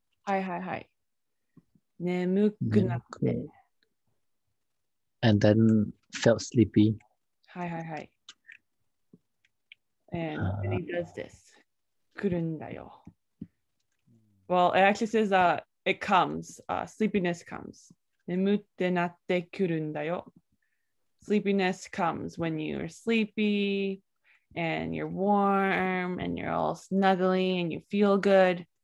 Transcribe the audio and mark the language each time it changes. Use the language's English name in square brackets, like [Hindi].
[Japanese] はいはいはい。眠くなって [English] And then felt sleepy. はいはいはい。And he does this. [Japanese] 来るんだよ。 [English] Well, it actually says that it comes, sleepiness comes. [Japanese] 眠ってなってくるんだよ。 [English] Sleepiness comes when you're sleepy and you're warm and you're all snuggly and you feel good.